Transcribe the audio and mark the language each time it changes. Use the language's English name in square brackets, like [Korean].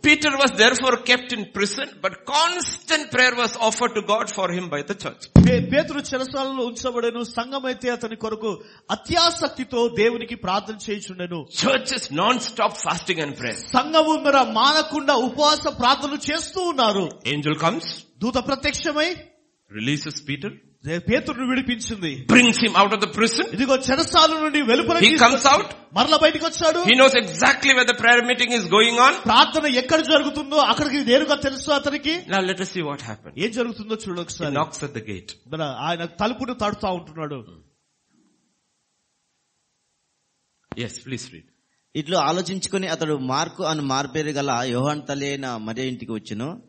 [English] Peter was therefore kept in prison, but constant prayer was offered to God for him by the church. [Telugu] పేతురు చెరసాలలో ఉంచబడెను, సంఘమైతే అతని కొరకు అత్యాసక్తితో దేవునికి ప్రార్థన చేయుచుండెను. [English] Church is non-stop fasting and prayer. [Telugu] సంఘము మరి మానకుండా ఉపవాస ప్రార్థనలు చేస్తూ ఉన్నారు. [English] Angel comes. [Telugu] దూత ప్రత్యక్షమై [English] releases Peter. [Telugu] పేతురును విడిపించింది. [English] Brings him out of the prison. [Telugu] ఇదిగో చెరసాల నుండి వెలుపల. [English] He comes out. [Telugu] మరలా బయటకు వచ్చాడు. [English] He knows exactly where the prayer meeting is going on. [Telugu] ప్రార్థన ఎక్కడ జరుగుతుందో అక్కడికి నేరుగా తెలుసు అతనికి. [English] Now let us see what happened. [Telugu] ఏం జరుగుతుందో చూడొచ్చు. [English] He knocks at the gate. [Telugu] మరి ఆయన తలుపును తడుతా ఉంటున్నాడు. [English] Yes, please read. [Telugu] ఇట్లా ఆలోచించుకుని అతడు మార్కు అని మార్పేరు గల యోహాను తల్లి అయిన మరియ ఇంటికి వచ్చెను.